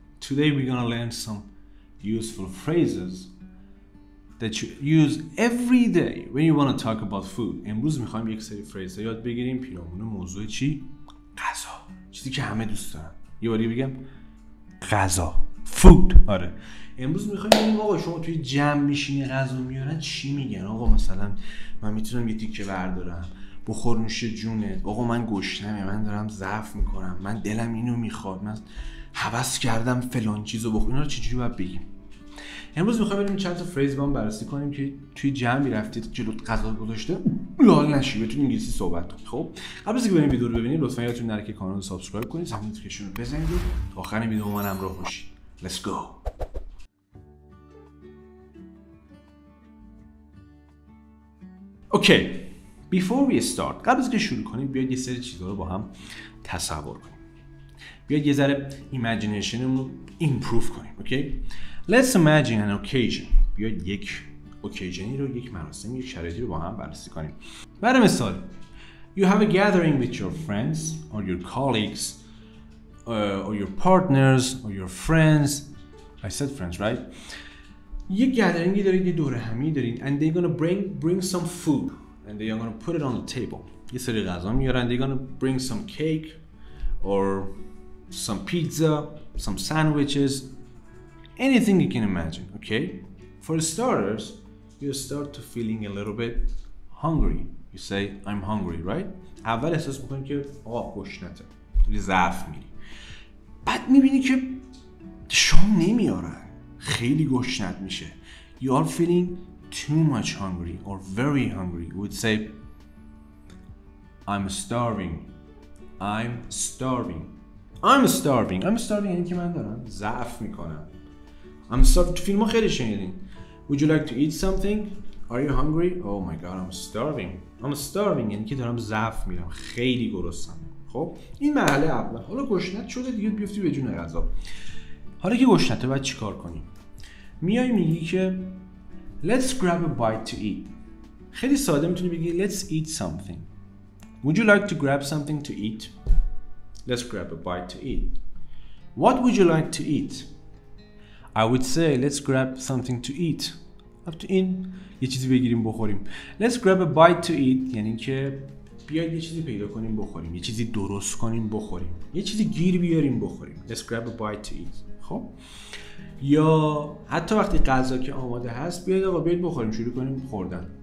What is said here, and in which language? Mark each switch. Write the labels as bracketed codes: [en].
[en] Today we're gonna learn some useful phrases that you use every day when you wanna talk about food. [fa] امروز میخوایم یک سری فریز یاد بگیریم پیرامون موضوع چی؟ غذا. چیزی که همه دوست دارن. یه باری بگم غذا. Food. آره. امروز میخوایم بگیم آقا شما توی جمع میشینی غذا میارن چی میگن؟ آقا مثلا من میتونم یه تیکه بردارم. بخور نوش جونت. آقا من گشنمه، من دارم ضعف میکنم، من دلم اینو میخواد، من هوس کردم فلان چیزو بخور. اینا رو چجوری باید بگیم؟ امروز میخوام بریم چند تا فریز با هم بررسی کنیم که توی جمعی رفتید جلوت غذا گذاشته لال نشی بتونی انگلیسی صحبت کنی. خب قبل از اینکه بریم ویدیو رو ببینید لطفا یادتون نره که کانال رو سابسکرایب کنید، زنگ نوتیفیکیشن رو بزنید، تا آخر ویدیو من همراه باشید. [en] Let's go. Okay. Before we start، [fa] قبل از که شروع کنیم بیاید یه سری چیزها رو با هم تصور کنیم، بیاید یه ذره imaginationمون رو improve کنیم. Okay؟ [en] Let's imagine an occasion، [fa] بیاید یک occasionی رو، یک مراسم، یک شرایطی رو با هم بررسی کنیم. [en] برای مثال you have a gathering with your friends or your colleagues or your partners or your friends. I said friends, right؟ [fa] یک gatheringی دارید، یه دوره همی دارید [en] and they're gonna bring some food and they are going to put it on the table. [fa] یه سری غذا میارن. [en] They're going to bring some cake or some pizza, some sandwiches, anything you can imagine, okay? For starters, you start to feeling a little bit hungry. You say, I'm hungry, right? [fa] اول احساس میکنی که آقا گشنته. توی ضعف میری. بعد میبینی که شام نمیارن. خیلی گشنت میشه. [en] You are feeling too much hungry or very hungry. We would say I'm starving [fa] یعنی که من دارم ضعف میکنم. [en] I'm starving. [fa] فیلمو خیلی شنیدین. [en] Would you like to eat something? Are you hungry? Oh my god, I'm starving [fa] یعنی که دارم ضعف میرم، خیلی گرسنم. خب این مرحله اول. حالا گشنت شده دیگه، بیفتی به جون غذا. حالا که گشنته باید چی کار کنی؟ میای میگی که [en] Let's grab a bite to eat. [fa] خیلی ساده میتونی بگی [en] Let's eat something. Would you like to grab something to eat? Let's grab a bite to eat. What would you like to eat? I would say Let's grab something to eat. [fa] After in یه چیزی بگیریم بخوریم. [en] Let's grab a bite to eat [fa] یعنی که بیاید یه چیزی پیدا کنیم بخوریم، یه چیزی درست کنیم بخوریم، یه چیزی گیر بیاریم بخوریم. [en] Let's grab a bite to eat. [fa] خب یا حتی وقتی غذا که آماده هست بیاید آقا بیاید بخوریم، شروع کنیم خوردن.